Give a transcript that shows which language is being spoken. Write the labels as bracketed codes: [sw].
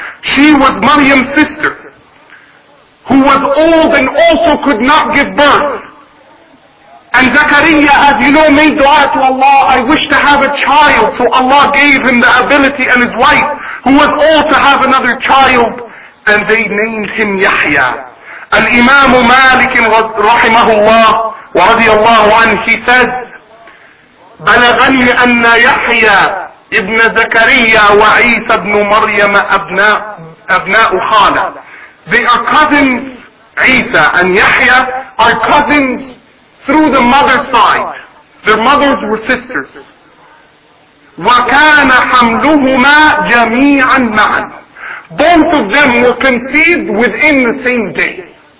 [en] She was Maryam's sister, who was old and also could not give birth. And Zakariya, as you know, made dua to Allah, I wish to have a child. So Allah gave him the ability and his wife, who was old, to have another child. And they named him Yahya. Al-Imam Malik rahimahullah [ar] ورضي الله عنه said, بلغني أن يحيى ابن زكريا وعيسى ابن مريم أبناء خالة. [en] They are cousins. عيسى and يحيى are cousins through the mother's side. Their mothers were sisters. [ar] وكان حملهما جميعا معا. [en] Both of them were conceived within the same day.